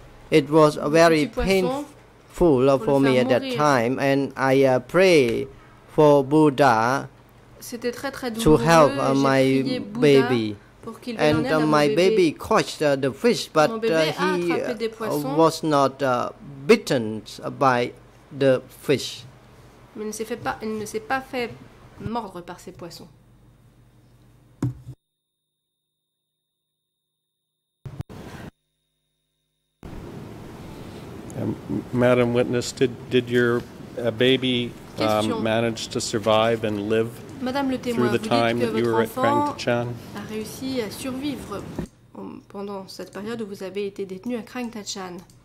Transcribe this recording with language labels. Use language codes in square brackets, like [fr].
[en] It was very painful for me at that time, and I pray for Buddha to help my baby. And my baby caught the fish, but he was not bitten by the fish. [fr] Mais il ne s'est fait pas, il ne s'est pas fait mordre par ces poissons. [en] Madam Witness, did your baby managed to survive and live [fr] Madame le témoin, [en] through the time that you were at Prang Tachan? [fr] A réussi à survivre pendant cette période où vous avez été détenu à Prang Tachan.